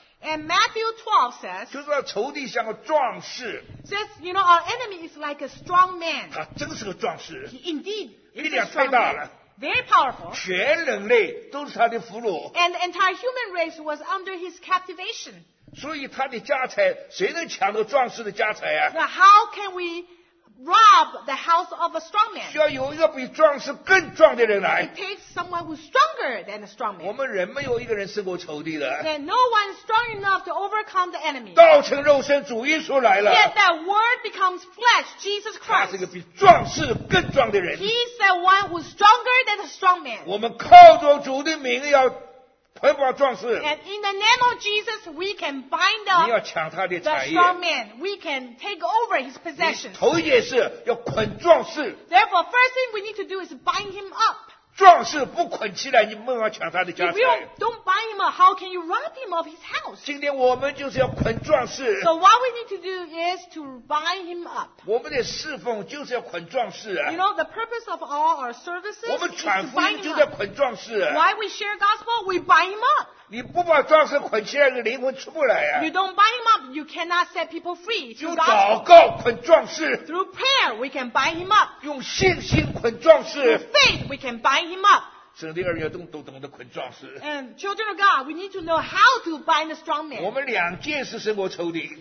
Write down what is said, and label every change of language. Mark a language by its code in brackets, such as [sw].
[en] And Matthew 12 says, [zh] 就是说仇敌像个壮士。 [en] Says, you know, our enemy is like a strong man. [zh] 他真是个壮士。 [en] He indeed is a strong man. [zh] 力量太大了。 [en] Very powerful. [zh] 全人类都是他的俘虏。 [en] And the entire human race was under his captivation. [zh] 所以他的家财，谁能抢夺壮士的家财啊？ [en] So how can we rob the house of a strong man? [zh] 需要有一个比壮士更壮的人来。 [en] It takes someone who's stronger than a strong man. [zh] 我们人没有一个人胜过仇敌的。 [en] And no one's strong enough to overcome the enemy. [zh] 道成肉身，主耶稣来了。 [en] Yet that word becomes flesh, Jesus Christ. [zh] 他是一个比壮士更壮的人。 [en] He's the one who's stronger than a strong man. [zh] 我们靠着主的名要捆绑壮士。 [en] And in the name of Jesus, we can bind up [zh] 你要抢他的产业。 [en] The strong man, we can take over his possessions. [zh] 头一件事要捆壮士。 [en] Therefore, first thing we need to do is bind him up. [zh] 壮士不捆起来，你没法抢他的家产。 [en] If you don't bind him up, how can you rob him of his house? [zh] 今天我们就是要捆壮士。 [en] So what we need to do is to bind him up. [zh] 我们的侍奉就是要捆壮士。 [en] You know, the purpose of all our services is to bind him up. [zh] 我们传福音就是要捆壮士。 [en] Why we share gospel? We bind him up. [zh] 你不把壮士捆起来，你灵魂出不来 [en] 啊。You don't bind him up, you cannot set people free. [zh] 用祷告捆壮士。 [en] Through prayer, we can bind him up. [zh] 用信心捆壮士。 [en] Through faith, we can bind him up. [zh] 神的儿女都懂得捆壮士。 [en] And children of God, we need to know how to bind a strong man. [zh] 我们两件是胜过仇敌。